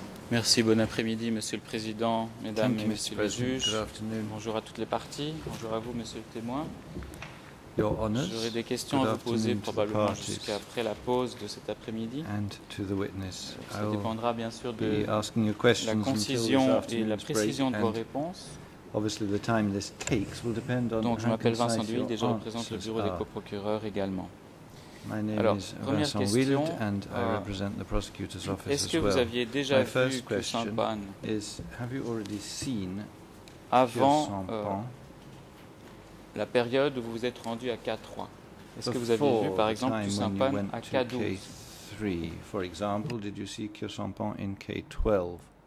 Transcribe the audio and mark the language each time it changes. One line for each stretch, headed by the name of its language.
French: Merci, bon après-midi, Monsieur le Président, Mesdames et Messieurs les juges. Bonjour à toutes les parties. Bonjour à vous, Monsieur le témoin. J'aurai des questions à vous poser probablement jusqu'à après la pause de cet après-midi. Ça dépendra bien sûr de la concision et la précision de vos réponses.
English: Obviously, the time this takes will depend on.
French: Donc, je m'appelle Vincent Duil et je représente le bureau des coprocureurs également.
English: My name is Vincent Wild and I represent the prosecutor's office as well. My first question is, have you already seen
French: avant la période où vous vous êtes rendu à K3? Est-ce que vous avez vu par exemple Kyusampan à K12?
English: For example, did you see Kyusampan in K12?